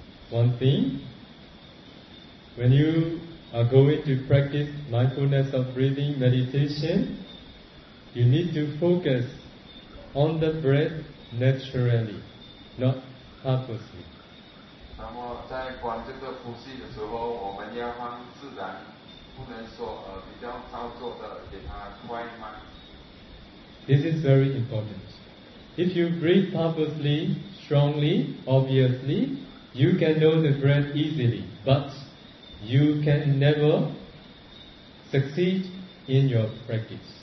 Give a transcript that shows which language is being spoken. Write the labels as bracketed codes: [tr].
[en] One thing, when you are going to practice mindfulness of breathing meditation, you need to focus on the breath naturally, not purposely. [zh] 那么在观这个呼吸的时候，我们要放自然，不能说比较造作的给它快慢。 [en] This is very important. If you breathe purposely, strongly, obviously, you can know the breath easily, but you can never succeed in your practice.